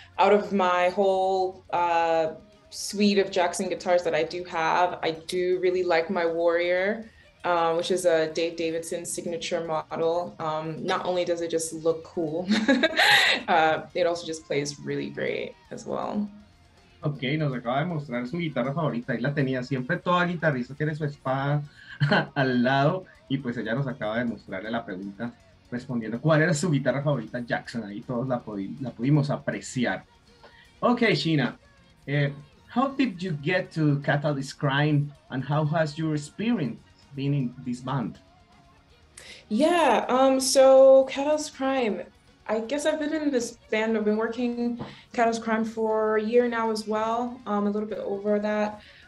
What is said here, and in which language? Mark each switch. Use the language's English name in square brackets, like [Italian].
[English] Out of my whole suite of Jackson guitars that I do have, I do really like my Warrior, which is a Dave Davidson signature model. Not only does it just look cool, it also just plays really great as well. [Spanish] Ok, nos acaba de mostrar su guitarra favorita, ahí la tenía siempre, toda guitarrista tiene su espada al lado, y pues ella nos acaba de mostrarle la pregunta respondiendo cuál era su guitarra favorita Jackson, ahí todos la pudimos apreciar. [English] Ok, Chena, how did you get to Catalyst Crime and how has your experience been in this band? Yeah, so Catalyst Crime, I guess I've been in this band, I've been working Catalyst Crime for a year now as well, a little bit over that.